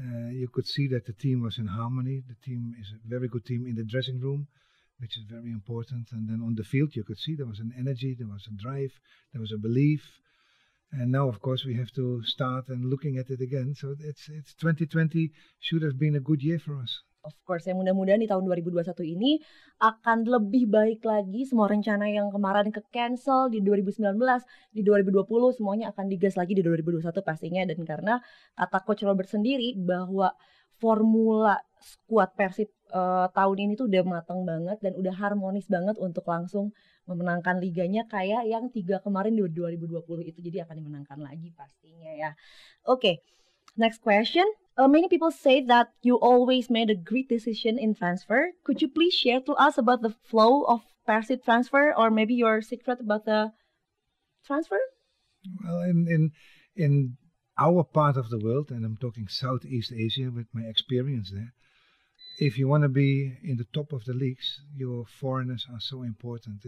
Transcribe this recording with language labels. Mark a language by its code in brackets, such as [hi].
[en] You could see that the team was in harmony. The team is a very good team in the dressing room, which is very important. And then on the field, you could see there was an energy, there was a drive, there was a belief. And now, of course, we have to start and looking at it again. So it's 2020 should have been a good year for us. [id] Of course, ya, mudah-mudahan di tahun 2021 ini akan lebih baik lagi. Semua rencana yang kemarin ke-cancel di 2019, di 2020 semuanya akan digas lagi di 2021 pastinya. Dan karena kata Coach Robert sendiri bahwa formula squad Persib tahun ini tuh udah matang banget dan udah harmonis banget untuk langsung memenangkan liganya kayak yang 3 kemarin di 2020 itu. Jadi akan dimenangkan lagi pastinya ya. [en] Oke, okay, next question. Many people say that you always made a great decision in transfer. Could you please share to us about the flow of Persib transfer, or maybe your secret about the transfer? Well, in our part of the world, and I'm talking Southeast Asia with my experience there, if you want to be in the top of the leagues, your foreigners are so important.